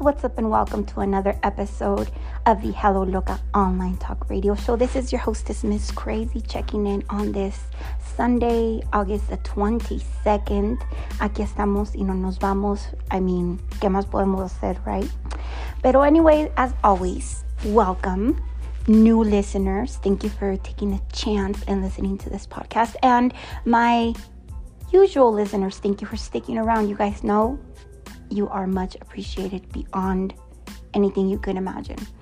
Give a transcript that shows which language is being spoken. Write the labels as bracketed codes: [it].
[en] What's up and welcome to another episode of the Hello Loca online talk radio show. This is your hostess, Miss Crazy, checking in on this Sunday, August the 22nd. [es] Aquí estamos y no nos vamos. [en] I mean, [es] ¿qué más podemos hacer, [en] right? [es] Pero [en] anyway, as always, welcome new listeners. Thank you for taking a chance and listening to this podcast. And my usual listeners, thank you for sticking around. You guys know you are much appreciated beyond anything you could imagine.